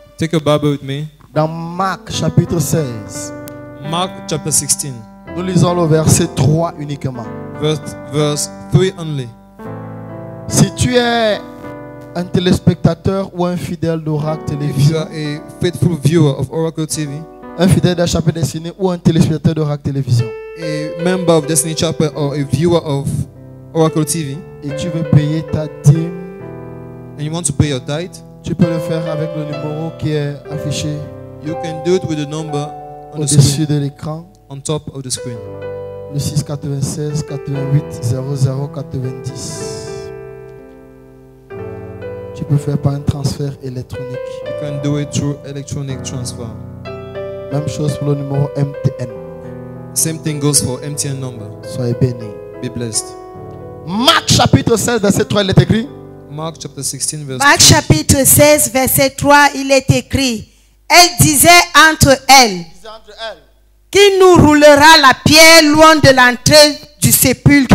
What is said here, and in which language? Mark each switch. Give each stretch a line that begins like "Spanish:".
English: Take your Bible with me.
French: Dans Marc chapitre 16.
English: Mark chapter 16.
French: Nous lisons le verset 3 uniquement.
English: Verse 3 only.
French: Si tu es un téléspectateur ou un fidèle d'Oracle Télévision.
English: If you are a faithful viewer of Oracle TV.
French: Un fidèle d'HAP Destiny ou un téléspectateur d'Oracle Télévision.
English: A member of Destiny Chapel or a viewer of Oracle TV.
French: Et tu veux payer ta dîme.
English: And you want to pay your tithe.
French: Tu peux le faire avec le numéro qui est affiché.
English: You can do it with the number on the screen.
French: Au-dessus de l'écran.
English: On top of the screen.
French: Le 696-88-00-90. Tu peux faire par un transfert électronique.
English: You can do it through electronic transfer.
French: Même chose pour le numéro MTN.
English: Same thing goes for MTN number.
French: Soyez béni.
English: Be blessed.
French: Marc chapitre 16 verset 3 il est écrit.
English: Mark chapter 16 verse
French: 3. Marc chapitre 16 verset 3 il est écrit. Elle disait entre elles. Qui nous roulera la pierre loin de l'entrée du sépulcre?